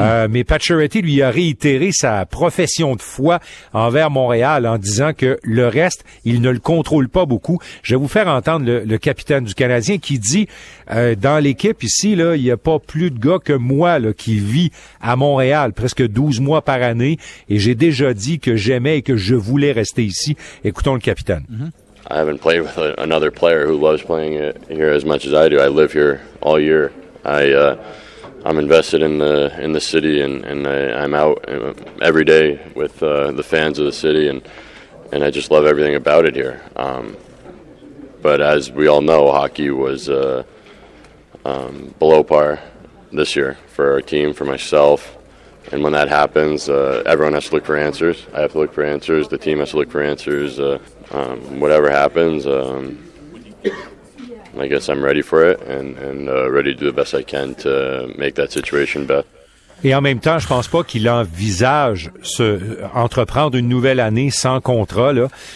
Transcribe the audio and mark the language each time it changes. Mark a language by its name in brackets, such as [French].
[French] Mais Pacioretty, lui, a réitéré sa profession de foi envers Montréal en disant que le reste, il ne le contrôle pas beaucoup. Je vais vous faire entendre le capitaine du Canadien qui dit, dans l'équipe ici, là, il n'y a pas plus de gars que moi là, qui vit à Montréal presque 12 mois par année, et j'ai déjà dit que j'aimais et que je voulais rester ici. Écoutons le capitaine. [English] I haven't played with another player who loves playing here as much as I do. I live here all year. I'm invested in the city, and I'm out every day with the fans of the city, and I just love everything about it here. But as we all know, hockey was below par this year for our team, for myself. And when that happens, everyone has to look for answers. I have to look for answers. The team has to look for answers. Whatever happens, I guess I'm ready for it and ready to do the best I can to make that situation better. [French] Et en même temps, je pense pas qu'il envisage entreprendre une nouvelle année sans contrat, là.